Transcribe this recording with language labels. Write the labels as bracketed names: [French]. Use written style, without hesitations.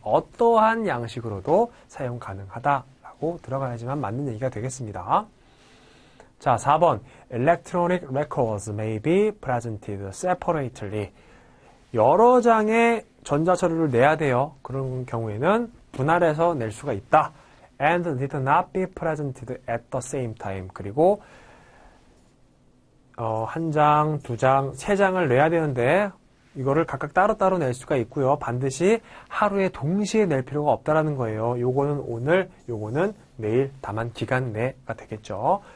[Korean] 어떠한 양식으로도 사용 가능하다라고 들어가야지만 맞는 얘기가 되겠습니다. 자, 4번. [English] Electronic records may be presented separately. [Korean] 여러 장의 전자서류를 내야 돼요. 그런 경우에는 분할해서 낼 수가 있다. [English] And did not be presented at the same time. [Korean] 그리고 한 장, 두 장, 세 장을 내야 되는데 이거를 각각 따로따로 낼 수가 있고요. 반드시 하루에 동시에 낼 필요가 없다라는 거예요. 요거는 오늘, 요거는 내일, 다만 기간 내가 되겠죠.